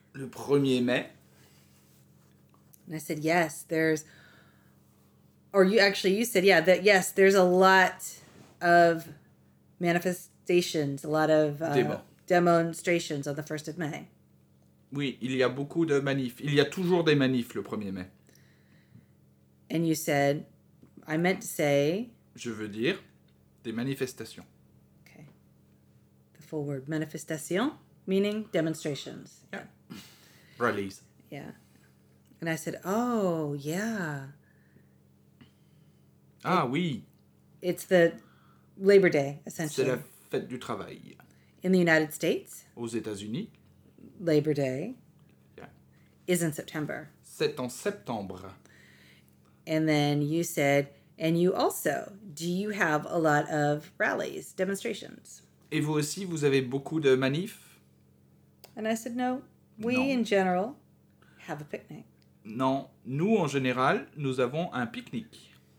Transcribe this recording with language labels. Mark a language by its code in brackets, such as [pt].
[fr] Le 1er mai. [en] And I said, yes, there's, or you actually, you said, yeah, that yes, there's a lot of manifestations, a lot of demonstrations on the 1st of May. [fr] Oui, il y a beaucoup de manifs. Il y a toujours des manifs le 1er mai. [en] And you said, I meant to say. [fr] Je veux dire, des manifestations. [en] Okay. The full word, manifestation, meaning demonstrations. Yeah. Rallies. Yeah. And I said, oh, yeah. [fr] Ah, oui. [en] It's the Labor Day, essentially. [fr] C'est la fête du travail. [en] In the United States. [fr] Aux États-Unis. [en] Labor Day. Yeah. Is in September. [fr] C'est en septembre. [en] And then you said, and you also, do you have a lot of rallies, demonstrations? [fr] Et vous aussi, vous avez beaucoup de manifs? [en] And I said, no. We, [fr] non. [en] In general, have a picnic. [fr] Non, nous en général, nous avons un pique-nique.